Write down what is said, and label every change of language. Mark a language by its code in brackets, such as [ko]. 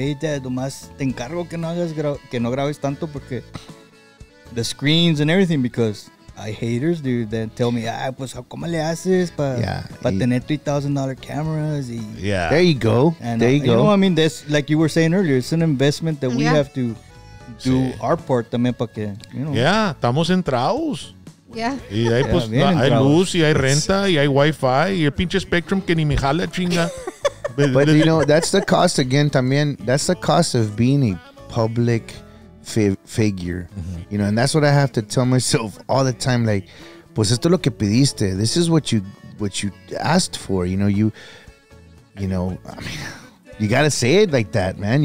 [en] Hey, Dad, [es] nomás te encargo que no grabes tanto porque [en] the screens and everything because I haters, dude, that tell me, [es] ah, pues, ¿cómo le haces para tener $3,000 cameras? Y, [en] yeah. There you go. And, there you go. You know, I mean, that's, like you were saying earlier, it's an investment that we have to do our part [es] también para que, [en] you know. [es] Yeah, estamos entrados. [en] Yeah. [es] Y ahí, pues, hay luz y hay renta y hay Wi-Fi y el pinche Spectrum que ni me jala chinga. [en] But, you know, that's the cost again también. That's the cost of being a public figure, you know, and that's what I have to tell myself all the time. Like, [es] pues esto es lo que pediste. [en] This is what you asked for. You know, you know, I mean, you got to say it like that, man.